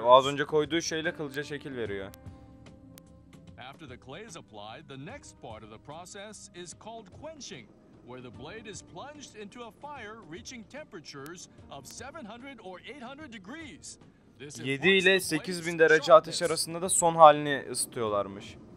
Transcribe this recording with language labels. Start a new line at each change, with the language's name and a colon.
Turkish: O az önce koyduğu şeyle kılıca şekil veriyor.
English: After the clay is applied, the next part of the process is called quenching, where the blade is plunged into a fire reaching temperatures of 700 or 800 degrees.
Turkish: 7 ile 8000 derece ateş arasında da son halini ısıtıyorlarmış.